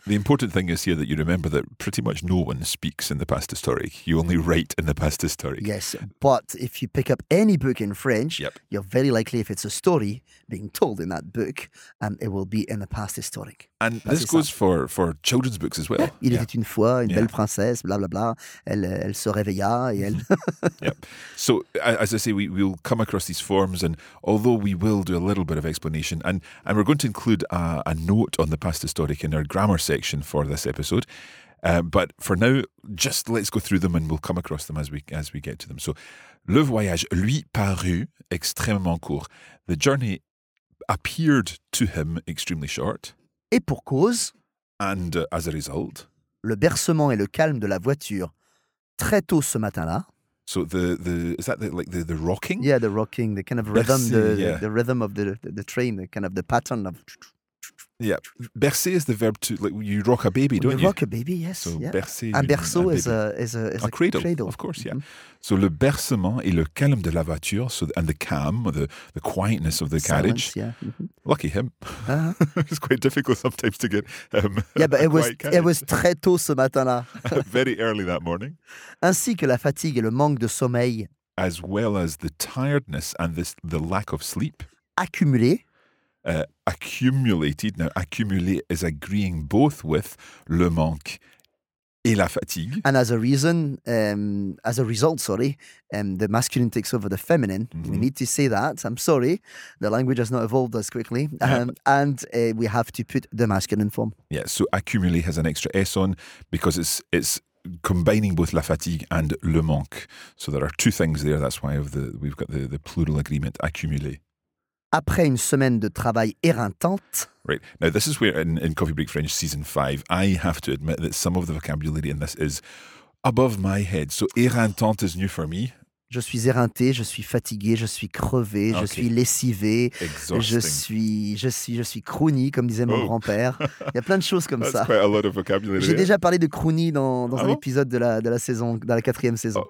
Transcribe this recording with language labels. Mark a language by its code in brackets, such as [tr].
[en] The important thing is here that you remember that pretty much no one speaks in the past historic. You only write in the past historic. Yes, but if you pick up any book in French, you're very likely, if it's a story being told in that book, it will be in the past historic. And this goes for children's books as well. [fr] Il était une fois une belle princesse, blah blah blah. Elle se réveilla et elle. [en] Yep. So as I say, we'll come across these forms, and although we will do a little bit of explanation, and we're going to include a note on the past historic in our grammar section for this episode, but for now, just let's go through them, and we'll come across them as we get to them. So, [fr] le voyage lui parut extrêmement court. [en] The journey appeared to him extremely short. [fr] Et pour cause. [en] And as a result. [fr] Le bercement et le calme de la voiture très tôt ce matin-là. [en] So the is that the rocking? Yeah, the rocking, the kind of rhythm, the rhythm of the train, the kind of the pattern of. Yeah, bercer is the verb to, like, you rock a baby, don't you? You rock a baby, yes. So bercer. Un berceau is a cradle, cradle. Of course, So [fr] le bercement et le calme de la voiture, [en] and the calm, the quietness of the silence, carriage. Lucky him. Uh-huh. It's quite difficult sometimes to get but it was [fr] très tôt ce matin-là. [en] Very early that morning. [fr] Ainsi que la fatigue et le manque de sommeil. [en] As well as the tiredness and the lack of sleep. [fr] Accumulé. [en] Accumulated. Now, accumulé is agreeing both with le manque et la fatigue. And as a reason, as a result, the masculine takes over the feminine. Mm-hmm. We need to say that. I'm sorry. The language has not evolved as quickly. And we have to put the masculine form. Yeah, so accumulé has an extra S on because it's combining both la fatigue and le manque. So there are two things there. That's why we've got the plural agreement, accumulé. [fr] Après une semaine de travail éreintante. [en] Right. Now, this is where in Coffee Break French Season 5, I have to admit that some of the vocabulary in this is above my head. So, éreintante is new for me. [fr] Je suis éreinté, je suis fatigué, je suis crevé, okay. Je suis lessivé, je suis crooney, comme disait mon grand-père. Il y a plein de choses comme [en] That's [fr] ça. [en] That's quite a lot of vocabulary. [fr] J'ai déjà parlé de crooney dans un épisode de la quatrième saison.